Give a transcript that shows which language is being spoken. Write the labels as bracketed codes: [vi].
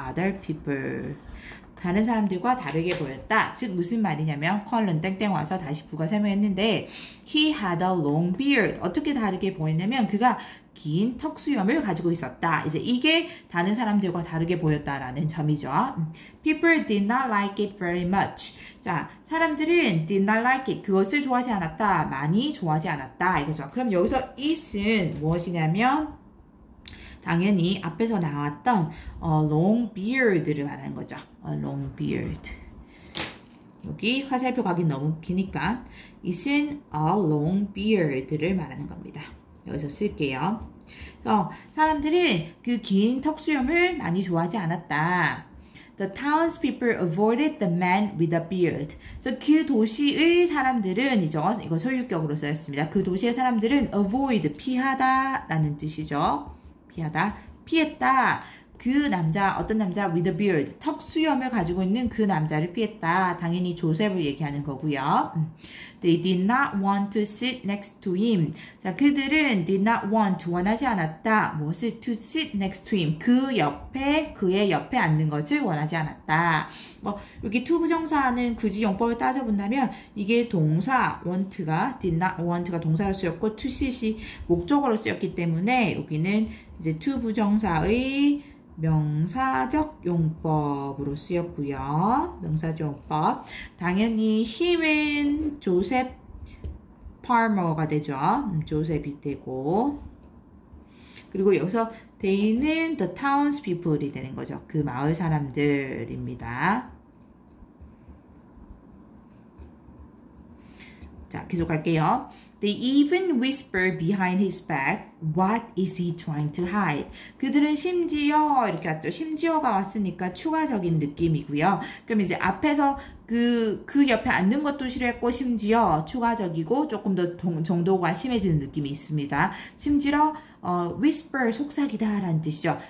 [en] other people. [ko] 다른 사람들과 다르게 보였다. 즉 무슨 말이냐면 콜론 땡땡 와서 다시 부가 설명했는데 [en] He had a long beard. [ko] 어떻게 다르게 보였냐면 그가 긴 턱수염을 가지고 있었다. 이제 이게 다른 사람들과 다르게 보였다라는 점이죠. [en] People did not like it very much. [ko] 자, 사람들은 [en] did not like it. [ko] 그것을 좋아하지 않았다. 많이 좋아하지 않았다. 이거죠. 그럼 여기서 it은 무엇이냐면 당연히 앞에서 나왔던 long beard를 말하는 거죠. [en] A long beard. [ko] 여기 화살표 각이 너무 기니까 it's a long beard를 말하는 겁니다. 여기서 쓸게요. 그래서 사람들은 그 긴 턱수염을 많이 좋아하지 않았다. [en] The townspeople avoided the man with a beard. [ko] So 그 도시의 사람들은 이죠. 이거 소유격으로 쓰였습니다. 그 도시의 사람들은 avoid 피하다라는 뜻이죠. 피하다, 피했다. 그 남자, 어떤 남자? [en] With a beard, [ko] 턱수염을 가지고 있는 그 남자를 피했다. 당연히 조셉을 얘기하는 거고요. [en] They did not want to sit next to him. [ko] 자, 그들은 did not want, 원하지 않았다. 무엇을 to sit next to him? 그 옆에, 그의 옆에 앉는 것을 원하지 않았다. 뭐 여기 to 부정사는 굳이 용법을 따져본다면 이게 동사, want가, did not want가 동사로 쓰였고 to sit이 목적으로 쓰였기 때문에 여기는 이제 to 부정사의 명사적 용법으로 쓰였고요. 명사적 용법. 당연히 힘은 조셉 파머가 되죠. 조셉이 되고 그리고 여기서 they는 the townspeople이 되는 거죠. 그 마을 사람들입니다. 자, 계속 갈게요. [en] They even whisper behind his back, what is he trying to hide? [ko] 그들은 심지어 이렇게 왔죠. 심지어가 왔으니까 추가적인 느낌이고요. 그럼 이제 앞에서 그 옆에 앉는 것도 싫어했고 심지어 추가적이고 조금 더 정도가 심해지는 느낌이 있습니다. 심지어 whisper 속삭이다 라는 뜻이죠.